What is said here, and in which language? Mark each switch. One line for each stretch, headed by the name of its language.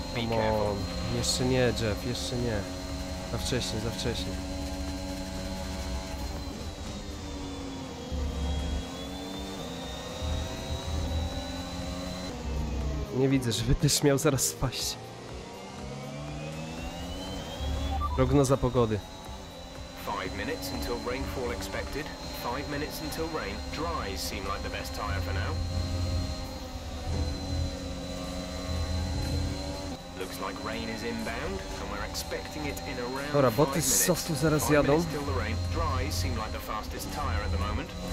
Polish: O, jeszcze nie, Jeff, jeszcze nie. Za wcześnie, za wcześnie. Nie widzę, żeby też miał zaraz spaść. Prognoza pogody.
English: 5 minutes until rainfall expected. 5 minutes until rain. Dries seem like the best tire for now. Looks like rain is inbound and we're expecting it in around.
Polish: Dobra, boty z softu zaraz jadą.
English: Dries seem like the fastest tire at the moment.